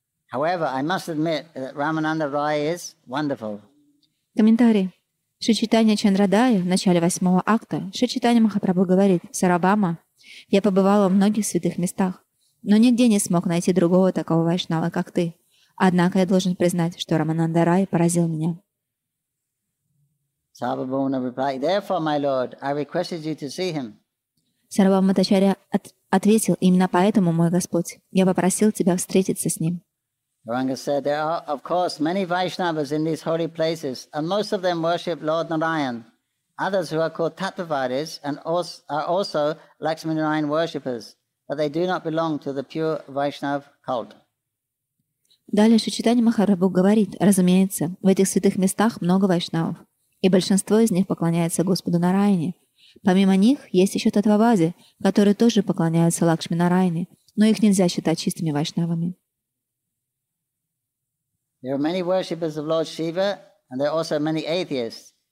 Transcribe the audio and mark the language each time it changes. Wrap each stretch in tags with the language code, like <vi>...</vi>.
<en>However, I must admit that Ramananda Roy is wonderful.</en> <ru>Комментарий. Шри Чайтанья Чандрадая в начале восьмого акта Шри Чайтанья Махапрабху говорит, Сарабама, я побывал во многих святых местах, но нигде не смог найти другого такого вайшнава, как ты. Однако я должен признать, что Рамананда Рай поразил меня.</ru> <en>Сарабхама replied, therefore, my lord, I requested you to see him.</en> <ru>Сарабхама Бхаттачарья ответил, именно поэтому, мой Господь, я попросил тебя встретиться с ним.</ru> <en>Гауранга said, there are, of course, many Vaishnavas in these holy places, and most of them worship Lord Narayan. Others who are called Tattvavadis and are also Lakshmi Narayan worshippers, but they do not belong to the pure Vaishnav cult.</en> <ru>Далее Шри Чайтанья Махапрабху говорит, разумеется, в этих святых местах много вайшнавов, и большинство из них поклоняется Господу Нарайане. Помимо них есть еще Таттвавади, которые тоже поклоняются Лакшми Нарайане, но их нельзя считать чистыми вайшнавами.</ru> <en>There are many worshippers of Lord Shiva, and there are also many atheists.</en>